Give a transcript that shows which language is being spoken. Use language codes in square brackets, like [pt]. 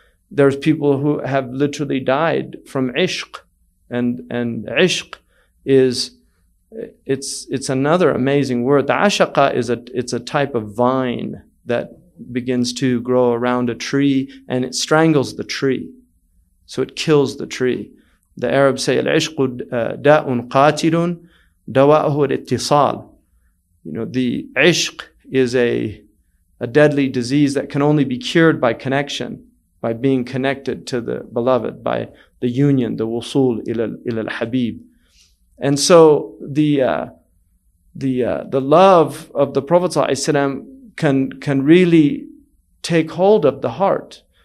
[en] There's people who have literally died from ishq, and ishq is, it's another amazing word. The ashaqa is it's a type of vine that begins to grow around a tree and it strangles the tree. So it kills the tree. The Arabs say, [ar] العشق داء قاتل دواءه الاتصال. [en] You know, the عشق is a deadly disease that can only be cured by connection, by being connected to the beloved, by the union, the [ar] وصول إلى الحبيب. [en] And so the love of the Prophet ﷺ can really take hold of the heart.